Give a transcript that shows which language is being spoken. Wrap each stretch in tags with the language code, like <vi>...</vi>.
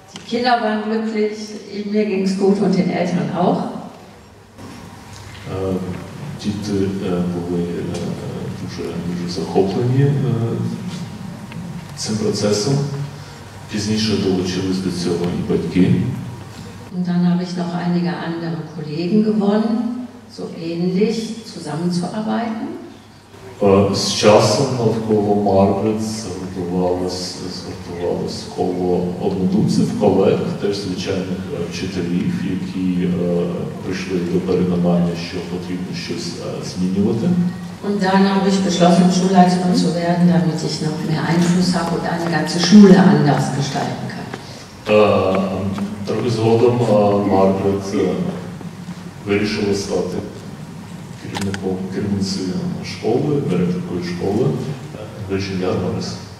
<de>Die Kinder waren glücklich, mir ging's gut und den Eltern auch.</de> <uk>Діти були дуже захоплені цим процесом. Пізніше долучились до цього і батьки.</uk> <de>Und dann habe ich noch einige andere Kollegen gewonnen, so ähnlich zusammenzuarbeiten.</de> <uk>З часом навколо Маргарет згуртувалось коло однодумців колег, теж звичайних вчителів, які прийшли до переконання, що потрібно щось змінювати.</uk> <de>Und dann habe ich beschlossen, Schulleiterin zu werden, damit ich noch mehr Einfluss habe und eine ganze Schule anders gestalten kann.</de> <uk>Трохи згодом Маргарет вирішила стати керівницею школи, директоркою школи, Вирджинія Армарес.</uk>